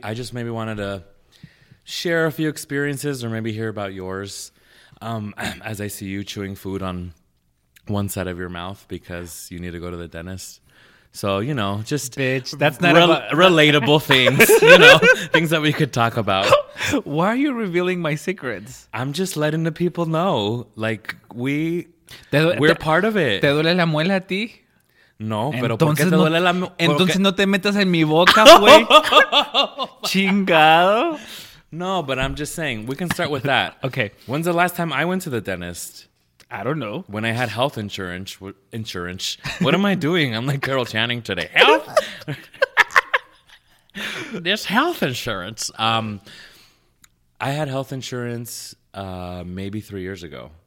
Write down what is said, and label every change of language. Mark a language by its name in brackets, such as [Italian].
[English] I just wanted to share a few experiences or maybe hear about yours as I see you chewing food on one side of your mouth because you need to go to the dentist. So, you know, just... Bitch, that's not relatable things, you know, things that we could talk about. Why are you revealing my secrets? I'm just letting the people know. Like, we're part of it. [Spanish] ¿Te duele la muela a ti? No, entonces, pero ¿por qué te duele la muela? Entonces no te metas en mi boca, güey. Chingado. [English] No, but I'm just saying, we can start with that. Okay. When's the last time I went to the dentist? I don't know. When I had health insurance. What am I doing? I'm like Carol Channing today. Health? There's health insurance. I had health insurance maybe 3 years ago.